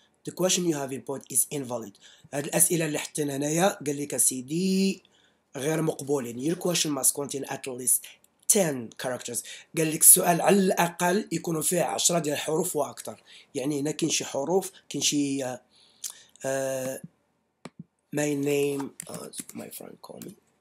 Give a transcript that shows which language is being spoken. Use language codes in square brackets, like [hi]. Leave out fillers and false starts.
[en] The question you have input is invalid. [ar] هاد الأسئلة اللي حطينا هنايا قال لك سيدي غير مقبولين. [en] Your question must contain at least 10 characters. [ar] قال لك السؤال على الأقل يكونوا فيه 10 ديال الحروف وأكثر. يعني هنا كاين شي حروف، كاين شي [en] my name is my friend call me.